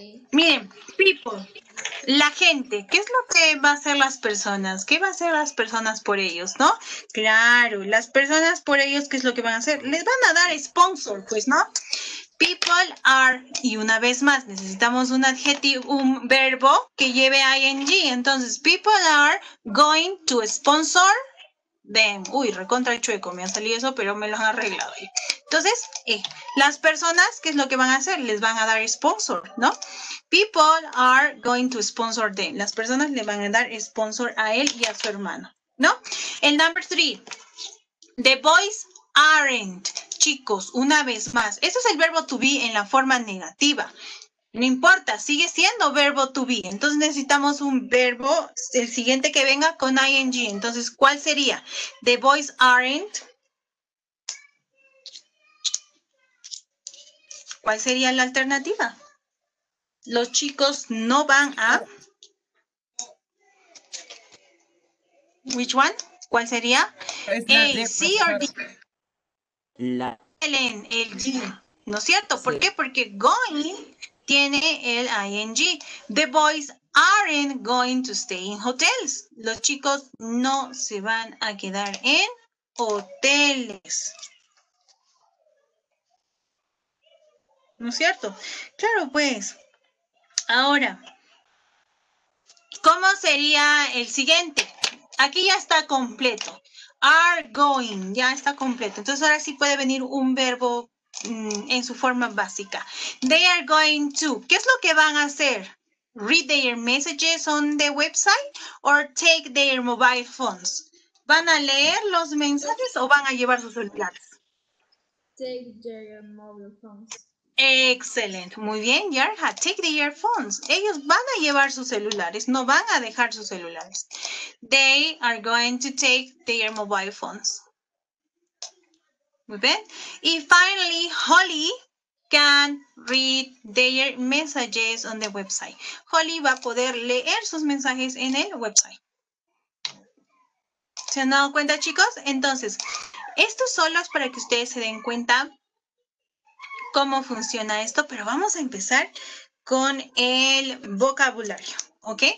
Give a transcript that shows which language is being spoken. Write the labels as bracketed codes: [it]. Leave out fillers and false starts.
[es] Miren, people, la gente, ¿qué es lo que va a hacer las personas? ¿Qué va a hacer las personas por ellos, no? Claro, las personas por ellos, ¿qué es lo que van a hacer? Les van a dar sponsor, pues, ¿no? [en] People are, [es] y una vez más, necesitamos un adjetivo, un verbo que lleve ing. Entonces, [en] people are going to sponsor them. [es] Uy, recontra el chueco, me ha salido eso, pero me lo han arreglado ahí. Entonces, las personas, ¿qué es lo que van a hacer? Les van a dar sponsor, ¿no? [en] People are going to sponsor them. [es] Las personas le van a dar sponsor a él y a su hermano, ¿no? El [en] number three, the boys aren't. [es] Chicos, una vez más, eso es el verbo to be en la forma negativa. No importa, sigue siendo verbo to be. Entonces necesitamos un verbo, el siguiente que venga con ing. Entonces, ¿cuál sería? [en] The boys aren't. [es] ¿Cuál sería la alternativa? Los chicos no van a. [en] Which one? [es] ¿Cuál sería? [en] C or D. [es] La. El G, ¿no es cierto? ¿Por sí. qué? Porque going tiene el ing. [en] The boys aren't going to stay in hotels. [es] Los chicos no se van a quedar en hoteles. ¿No es cierto? Claro, pues. Ahora, ¿cómo sería el siguiente? Aquí ya está completo. [en] Are going, [es] ya está completo. Entonces, ahora sí puede venir un verbo en su forma básica. [en] They are going to. [es] ¿Qué es lo que van a hacer? [en] Read their messages on the website or take their mobile phones. [es] ¿Van a leer los mensajes o van a llevar sus celulares? [en] Take their mobile phones. [es] Excelente. Muy bien, Yarha. [en] Take their phones. [es] Ellos van a llevar sus celulares, no van a dejar sus celulares. [en] They are going to take their mobile phones. [es] Muy bien. [en] Y finally, Holly can read their messages on the website. [es] Holly va a poder leer sus mensajes en el website. ¿Se han dado cuenta, chicos? Entonces, estos son los para que ustedes se den cuenta cómo funciona esto, pero vamos a empezar con el vocabulario, ¿ok?